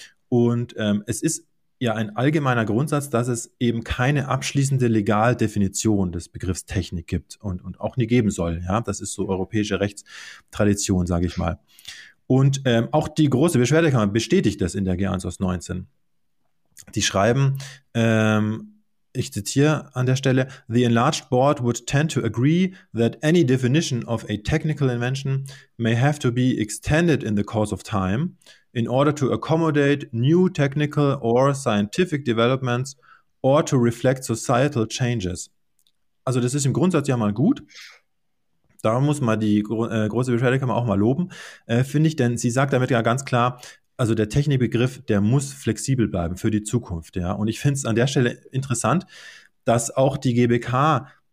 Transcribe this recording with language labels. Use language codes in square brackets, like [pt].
[de] Und es ist ja ein allgemeiner Grundsatz, dass es eben keine abschließende Legaldefinition des Begriffs Technik gibt und auch nie geben soll. Ja, das ist so europäische Rechtstradition, sage ich mal. Und auch die große Beschwerdekammer bestätigt das in der G1 aus 19. Die schreiben, ich zitiere an der Stelle: [en] "The enlarged board would tend to agree that any definition of a technical invention may have to be extended in the course of time in order to accommodate new technical or scientific developments or to reflect societal changes." [de] Also das ist im Grundsatz ja mal gut. Da muss man die große Beschwerdekammer auch mal loben, finde ich, denn sie sagt damit ja ganz klar, also der Technikbegriff, der muss flexibel bleiben für die Zukunft, ja. Und ich finde es an der Stelle interessant, dass auch die GBK